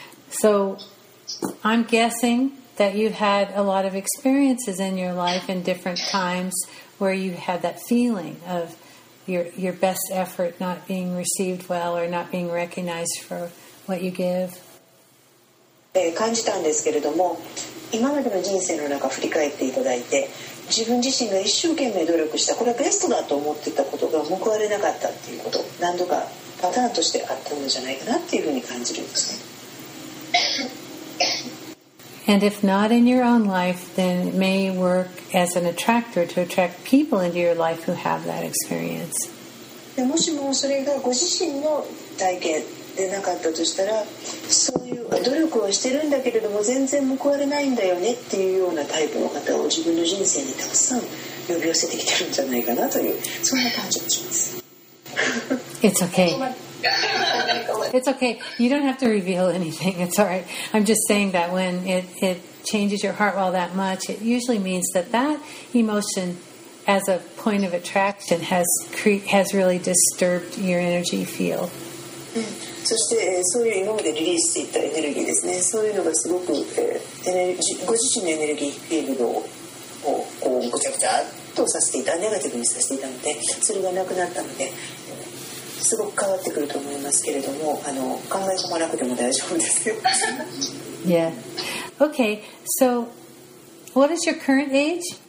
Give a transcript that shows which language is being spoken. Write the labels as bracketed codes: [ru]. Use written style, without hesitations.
[en] So I'm guessing that you had a lot of experiences in your life in different times where you had that feeling of your best effort not being received well or not being recognized for what you give. [ja] 感じたんですけれども、今までの人生の中振り返っていただいて、自分自身が一生懸命努力した、これはベストだと思ってたことが報われなかったっていうこと、何度かパターンとしてあったのじゃないかなっていうふうに感じるんですね。 [en] And if not in your own life, then it may work as an attractor to attract people into your life who have that experience. [ja] もしもそれがご自身の体験でなかったとしたら、そういう努力をしてるんだけれども全然報われないんだよねっていうようなタイプの方を自分の人生にたくさん呼び寄せてきてるんじゃないかなという、そんな感じがします。 [en] It's okay. It's okay. You don't have to reveal anything. It's all right. I'm just saying that when it changes your heart well that much, it usually means that that emotion as a point of attraction has really disturbed your energy field. [ja] そして、そういう今までリリースしていったエネルギーですね。そういうのがすごく、ご自身のエネルギーフィールドをこうぐちゃぐちゃっとさせていた、ネガティブにさせていたので、それがなくなったので、すごく変わってくると思いますけれども、考え込まなくても大丈夫ですよ。 [en] Yeah. Okay. So what is your current age?